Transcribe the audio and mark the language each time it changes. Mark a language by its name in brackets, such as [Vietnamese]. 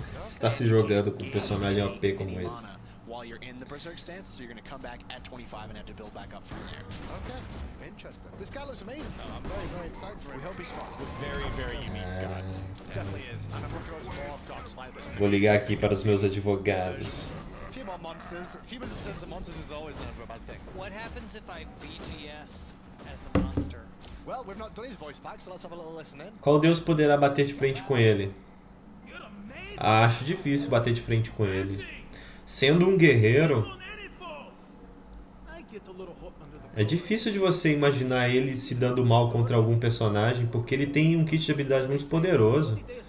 [Portuguese] está se jogando com um personagem OP como esse? [English] While you're in the berserk stance, so you're gonna come back at 25 and have to build back up from there. Okay, interesting. This guy looks amazing. I'm very, very excited for him. We hope he's fine. It's a very, very unique guy. Definitely is. And I'm gonna go to more of Doc's playlist. [Portuguese] Vou ligar aqui para os meus advogados. [English] A few more monsters. Humans in terms of monsters is always not a bad thing. What happens if I BGS as the monster? Well, we've not done his voice back, so let's have a little listening. [Portuguese] Qual deus poderá bater de frente com ele? Ah, acho difícil bater de frente com ele. Sendo um guerreiro, é difícil de você imaginar ele se dando mal contra algum personagem, porque ele tem um kit de habilidade muito poderoso.